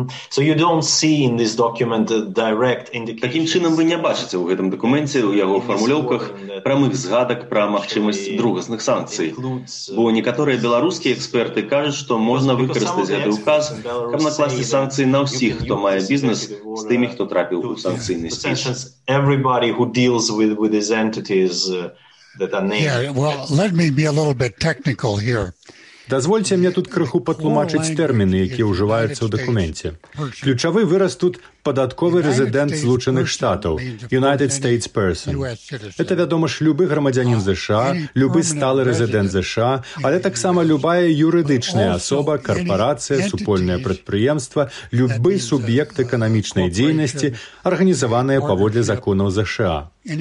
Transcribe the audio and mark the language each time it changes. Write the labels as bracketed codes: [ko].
[en] So you don't see in this document a direct indication. [uk] Таким чином ви не бачите у цьому документі, у його формульовках, прямих згадок про можливість другосних санкцій. Бо деякі білоруські експерти кажуть, що можна використати цей указ, щоб накласти санкції на всіх, хто має бізнес з тими, хто трапив у санкційний список. [en] Everybody who deals with these entities that are named. Yeah, well, let me be a little bit technical here. [be] Дозвольте мне тут крыху патлумачыць тэрміны, якія ўжываюцца ў дакументе. Ключавы выраз тут падатковы резидент Злучаных Штатаў, United States Person. Это, вядома ж, любы грамадзянін США, любы сталы резидент США, але таксама любая юрыдычная асоба, карпарація, супольнае прадпрыемства, любы суб'ект эканамічнай дзейнасці, арганізаваная паводле законаў США.